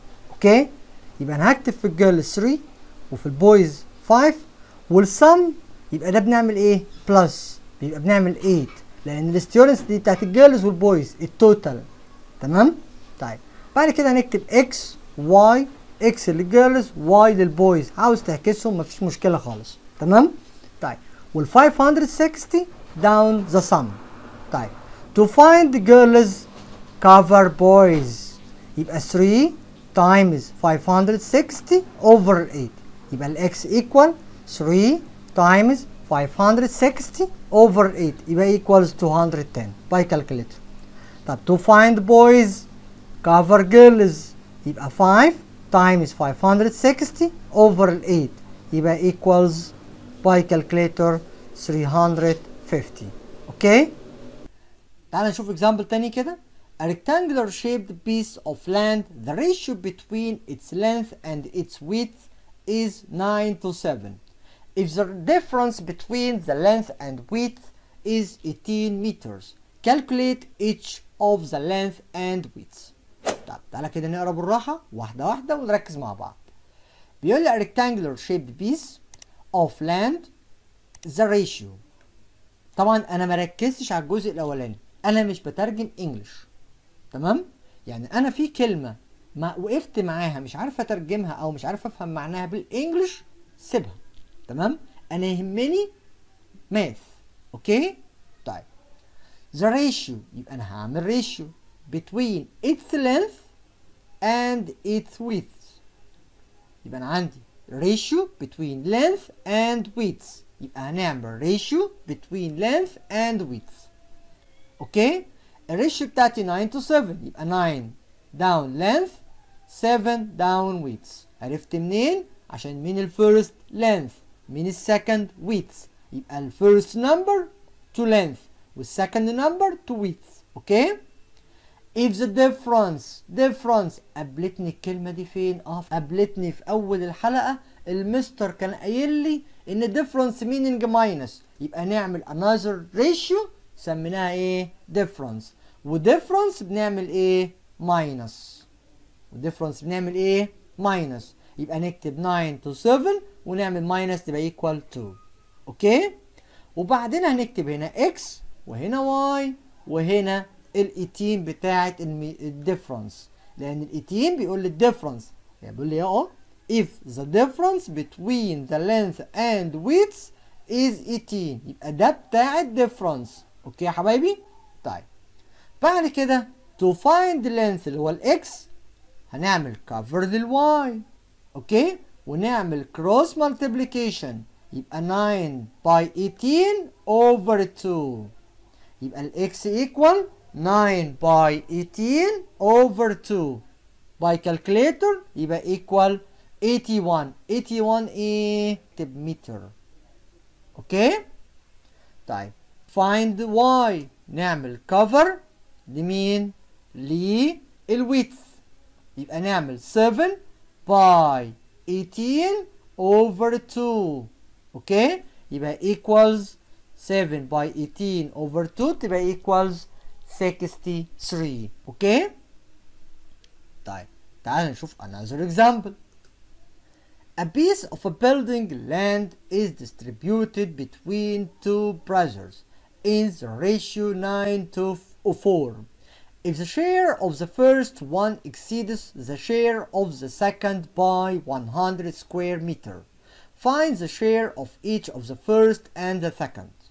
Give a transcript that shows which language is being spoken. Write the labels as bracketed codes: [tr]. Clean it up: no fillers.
[ar] اوكي يبقى انا هكتب في الجيرلز 3 وفي البويز 5 والسم، يبقى ده بنعمل ايه؟ بلس، يبقى بنعمل 8 لان الستيورنتس دي بتاعت الجيرلز والبويز التوتال. تمام طيب بعد كده هنكتب اكس واي، اكس للجيرلز واي للبويز، عاوز تعكسهم مفيش مشكله خالص. تمام طيب وال 560 [en] down the sum. طيب to find the girls cover boys، يبقى 3 times 560 over 8، يبقى ال x equal 3 times 560 over 8 يبقى equals 210 by calculator. طيب to find boys cover girls، يبقى 5 times 560 over 8 يبقى equals by calculator 350. [ar] اوكي تعال نشوف اكزامبل تاني كده. [en] A rectangular shaped piece of land the ratio between its length and its width is 9 to 7. If the difference between the length and width is 18 meters calculate each of the length and width. [ar] طب تعال كده نقرا بالراحة واحدة واحدة ونركز مع بعض. بيقول لي [en] a rectangular shaped piece of land the ratio، [ar] طبعا انا مركزتش على الجزء الاولاني، انا مش بترجم انجلش. تمام يعني انا في كلمة ما وقفت معاها مش عارف اترجمها او مش عارف افهم معناها بالانجلش، سيبها. تمام؟ انا يهمني ماث. [en] Okay? طيب the ratio، [ar] يبقى انا هعمل [en] ratio between its length and its width. يبقى انا عندي ratio between length and width، يبقى هنعمل ratio between length and width. [ar] اوكي؟ الريشيو بتاعتي [en] 9 to 7، يبقى 9 down length 7 down width. [ar] عرفت منين؟ عشان من الفيرست length، من السكند width. [en] يبقى الفيرست number to length والسكند number to width. [ar] اوكي؟ [en] if the difference [ar] قابلتني الكلمة دي فين؟ قابلتني في اول الحلقة المستر كان قايل لي ان [en] difference meaning minus، [ar] يبقى نعمل [en] another ratio [ar] سميناها ايه؟ difference. وديفرنس بنعمل ايه؟ ماينس. وديفرنس بنعمل ايه؟ ماينس. يبقى نكتب 9 تو 7 ونعمل ماينس تبقى ايكوال 2. اوكي؟ وبعدين هنكتب هنا اكس وهنا واي وهنا الايتين بتاعت الديفرنس، لان الايتين بيقول لي الديفرنس، يعني بيقول لي اهو [en] if the difference between the length and width is 18، [ar] يبقى ده بتاع الديفرنس. اوكي يا حبايبي؟ طيب بعد كده [en] to find the length [ar] اللي هو الx هنعمل [en] cover the y. Okay? ونعمل cross multiplication، يبقى 9 by 18 over 2، يبقى الx equal 9 by 18 over 2 by calculator، يبقى equal 81 ايه؟ متر. اوكي؟ طيب find the y، نعمل cover لمين؟ للويث، يبقى نعمل 7 باي 18 اوفر 2. اوكي؟ يبقى equals 7 باي 18 اوفر 2 تبقى equals 63. [ar] اوكي؟ طيب تعال نشوف [en] another example. A piece of a building land is distributed between two brothers in the ratio 9 to 4. If the share of the first one exceeds the share of the second by 100 square meter, find the share of each of the first and the second.